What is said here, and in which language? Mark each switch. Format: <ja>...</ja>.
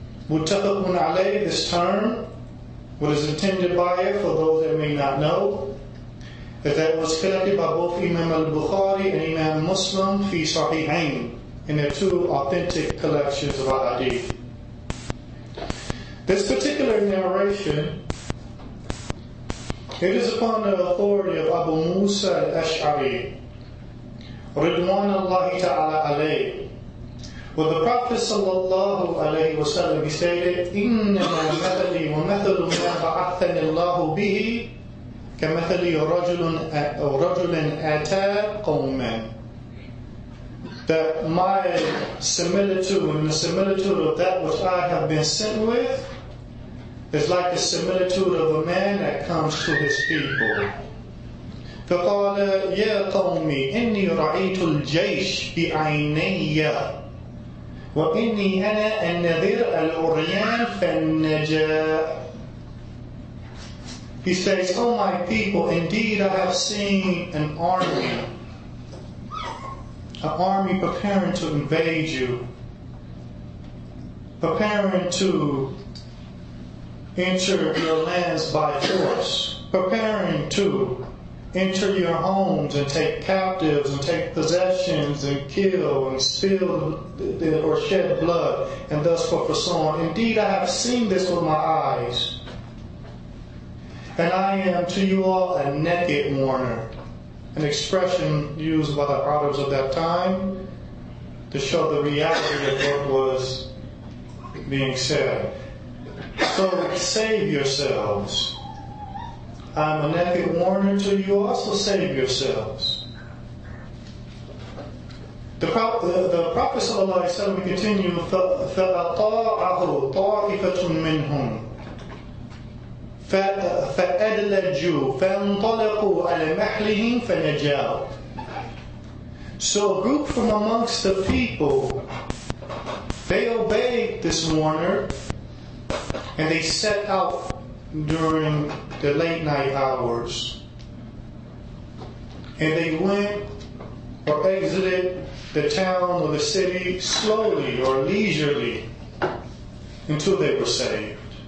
<en>Muttafaqun alayh, this term, what is intended by it, for those that may not know, is that it was collected by both Imam al-Bukhari and Imam Muslim fi sahihain, in their two authentic collections of hadith. This particular narration, it is upon the authority of Abu Musa al-Ash'ari,</en> <ar>رضوان الله تعالى عليه.</ar> <en>But the Prophet sallallahu alayhi wa sallam, he stated,</en> <ar>إِنَّمَا مَثَلِي وَمَثَلُ مَا بَعَثَّنِ اللَّهُ بِهِ كَمَثَلِي رَجُلٍ أَتَى قَوْمًا.</ar> <en>That my similitude and the similitude of that which I have been sent with is like the similitude of a man that comes to his people.</en> <ar>فقال يا قومي إني رأيت الجيش بعيني وإني أنا النذير العريان فالنجاء.</ar> <en>He says, O my people, indeed I have seen an army preparing to invade you, preparing to enter your lands by force, preparing to enter your homes and take captives and take possessions and kill and spill or shed blood and thus forth and so on. Indeed, I have seen this with my eyes. And I am to you all a naked warner, an expression used by the Arabs of that time to show the reality of what was being said. So save yourselves. I'm a naked warner to you, also save yourselves. The Prophet sallallahu alaihi wasallam, we continue,</en> <ar>فَأَطَاعَهُ طَائِفَةٌ مِّنْهُمْ فَأَدْلَجُوا فَانْطَلَقُوا عَلَى مَحْلِهِمْ فَنَجَاوْا.</ar> <en>So a group from amongst the people, they obeyed this warner and they set out during the late night hours, and they went or exited the town or the city slowly or leisurely until they were saved.</en>